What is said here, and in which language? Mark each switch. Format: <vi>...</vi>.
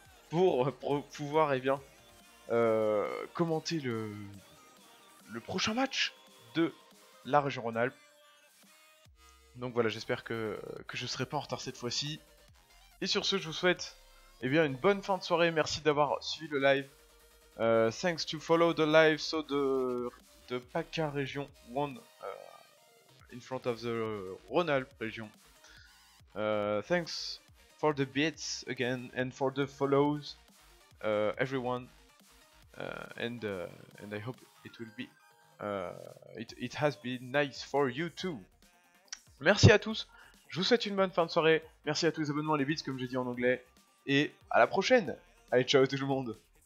<fr>pour pouvoir eh bien, commenter le prochain match de la région Rhône-Alpes. Donc voilà, j'espère que je serai pas en retard cette fois-ci. Et sur ce, je vous souhaite eh bien, une bonne fin de soirée. Merci d'avoir suivi le live.</fr> <en>Thanks to follow the live so the PACA region won in front of the Rhône-Alpes region. Thanks for the bits again and for the follows everyone and I hope it will be it has been nice for you too.</en> <fr>Merci à tous, je vous souhaite une bonne fin de soirée. Merci à tous les abonnements, les bits comme j'ai dit en anglais, et à la prochaine. Allez, ciao tout le monde.</fr>